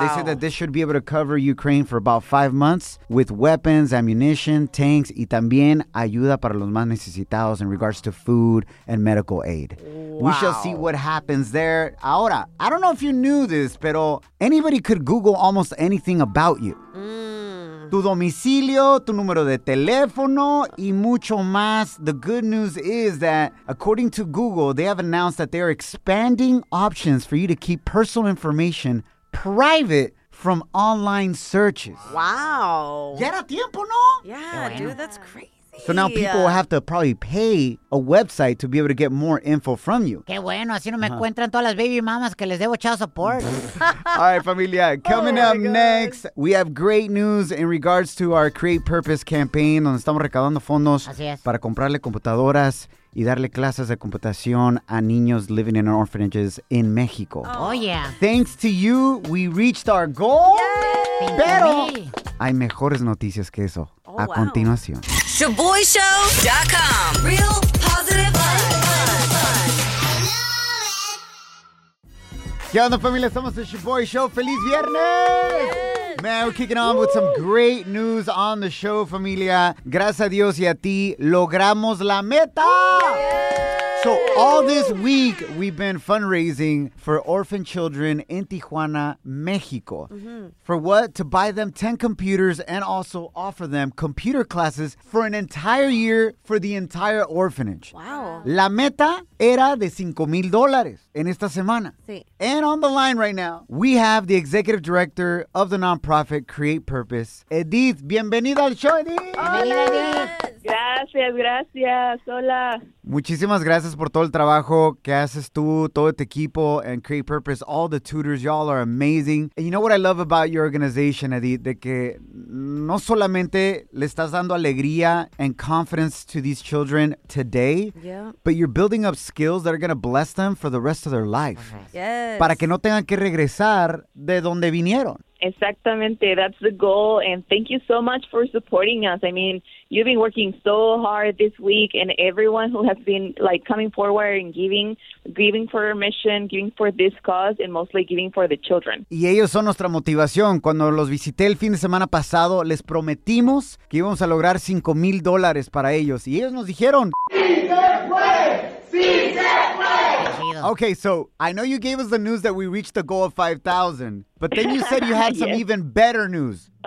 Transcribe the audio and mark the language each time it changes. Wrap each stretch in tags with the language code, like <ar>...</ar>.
<en>They said that this should be able to cover Ukraine for about 5 months with weapons, ammunition, tanks,</en> <es>y también ayuda para los más necesitados</es> <en>in regards to food and medical aid. Wow. We shall see what happens there. Ahora, I don't know if you knew this, pero anybody could Google almost anything about you.</en> <es>Tu domicilio, tu número de teléfono, y mucho más.</es> <en>The good news is that, according to Google, they have announced that they are expanding options for you to keep personal information private from online searches. Wow.</en> <es>Ya era tiempo, ¿no?</es> <en>Yeah, bueno. Dude, that's crazy. So now people will have to probably pay a website to be able to get more info from you.</en> <es>Qué bueno, así no me encuentran todas las baby mamas que les debo</es> <en>child support. All right, familia. Coming up next, we have great news in regards to our Create Purpose campaign,</en> <es>donde estamos recaudando fondos para comprarle computadoras y darle clases de computación a niños</es> <en>living in orphanages in Mexico. Oh, yeah. Thanks to you, we reached our goal. Yay!</en> <es>Pero hay mejores noticias que eso.</es> <en>Oh, a wow.</en> <es>Continuación.</es> <en>ShaboyShow.com. Real positive life.</en> <es>¿Qué onda, familia? Estamos en Shaboy Show. ¡Feliz viernes!</es> <en>Yes. Man, we're kicking on with some great news on the show, familia.</en> <es>Gracias a Dios y a ti, logramos la meta.</es> <en>So all this week, we've been fundraising for orphan children in Tijuana, Mexico. For what? To buy them 10 computers and also offer them computer classes for an entire year for the entire orphanage. Wow.</en> <es>La meta era de $5,000 en esta semana. Sí.</es> <en>And on the line right now, we have the executive director of the nonprofit Create Purpose, Edith.</en> <es>Bienvenida al show, Edith. Bienvenida, Edith. Gracias, gracias. Hola. Muchísimas gracias por todo el trabajo que haces tú, todo este equipo,</es> <en>and Create Purpose, all the tutors, y'all are amazing.</en> <es>And you know what I love about your organization, Edith, de que no solamente le estás dando alegría and confidence to these children today, but you're building up skills that are going to bless them for the rest of their life.</es> <en>Yes.</en> <es>Para que no tengan que regresar de donde vinieron. Exactamente,</es> <en>that's the goal, and thank you so much for supporting us. I mean, you've been working so hard this week, and everyone who has been like coming forward and giving for our mission, giving for this cause, and mostly giving for the children.</en> <es>Y ellos son nuestra motivación. Cuando los visité el fin de semana pasado, les prometimos que íbamos a lograr $5,000 para ellos, y ellos nos dijeron, ¡sí se puede! ¡Sí se puede!</es> <en>Okay, so I know you gave us the news that we reached the goal of 5,000, but then you said you had some even better news.</en>